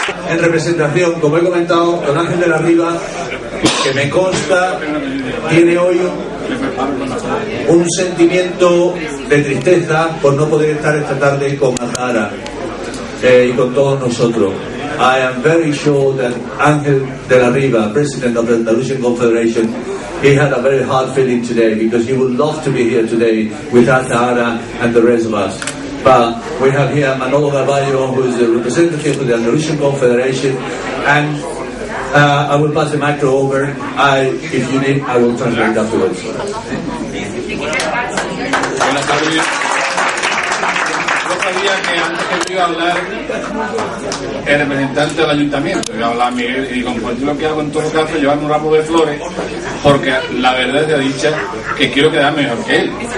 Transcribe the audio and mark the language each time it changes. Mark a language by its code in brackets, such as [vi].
[es] En representación, como he comentado, don Ángel de la Riva, que me consta, tiene hoy un sentimiento de tristeza por no poder estar esta tarde con Azahara y con todos nosotros. [en] I am very sure that Ángel de la Riva, President of the Andalusian Confederation, he had a very hard feeling today, because he would love to be here today with Azahara and the rest of us. But we have here Manolo Garballo, who is the representative of the Andalusian Confederation, and I will pass the micro over. If you need, I will translate it afterwards. [es] Buenas tardes. Yo sabía que antes que iba a hablar el representante del ayuntamiento, iba a hablar Miguel, y digo, pues yo lo que hago en todo caso es llevarme un ramo de flores, porque la verdad es de dicha que quiero quedar mejor que él.